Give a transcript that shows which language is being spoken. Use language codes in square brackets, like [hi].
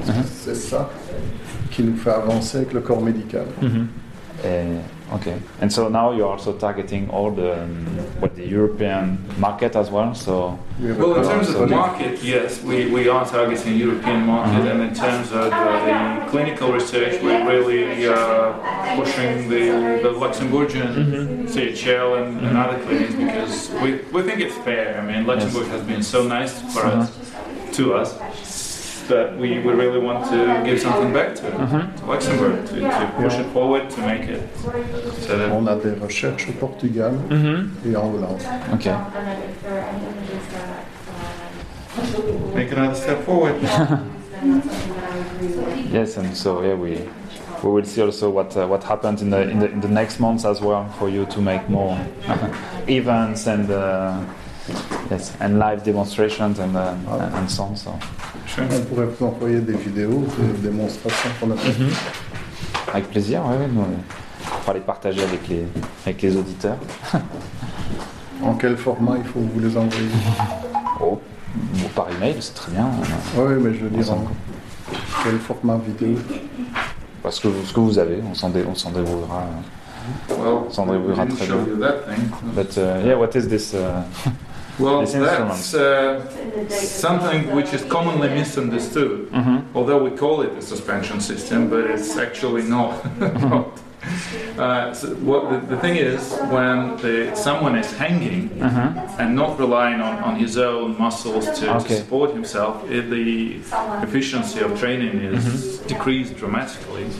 [fr] C'est ça qui nous fait avancer avec le corps médical. [en] Okay. And so now you're also targeting all the European market as well, so... Well, in terms of the market, yes, we are targeting European market, and in terms of the clinical research, we're really pushing the Luxembourgian CHL and other clinics, because we think it's fair. I mean, Luxembourg has been so nice to us. That we really want to give something back to Luxembourg, to push it forward, to make it. So that [fr] on a des recherches au Portugal et en Hollande. [en] Okay. Make another step forward. Yes, and so we will see also what happens in the next months as well for you to make more events and. Yes, and live demonstrations and so on. So. [fr] On pourrait vous envoyer des vidéos de démonstrations pour notre Avec plaisir, nous pourrons les partager avec les auditeurs. En quel format il faut vous les envoyer? Par email, c'est très bien. Oui, mais je veux dire, en quel format vidéo? Parce que ce que vous avez, on s'en débrouillera. [en] Well, Sandra, we didn't show you that thing. But what is this? Well, this that's something which is commonly misunderstood. Mm-hmm. Although we call it a suspension system, but it's actually not. the thing is, when someone is hanging and not relying on his own muscles to support himself, the efficiency of training is decreased dramatically.